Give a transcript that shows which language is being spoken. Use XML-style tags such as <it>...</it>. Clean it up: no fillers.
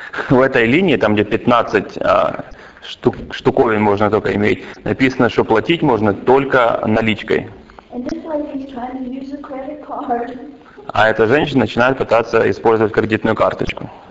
<ru>В этой линии, там где 15 штуковин можно только иметь, написано, что платить можно только наличкой.</ru> <en>And this lady is trying to use a credit card.</en> <ru>А эта женщина начинает пытаться использовать кредитную карточку.</ru>